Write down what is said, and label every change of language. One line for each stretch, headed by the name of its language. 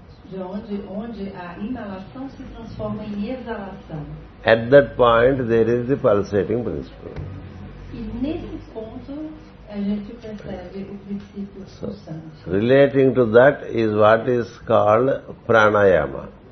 Portuguese: De onde a inalação se transforma em exalação.
English: At that point there is the pulsating principle.
Portuguese: E nesse ponto a gente percebe o princípio pulsante.
English: So, relating to that is what is called pranayama.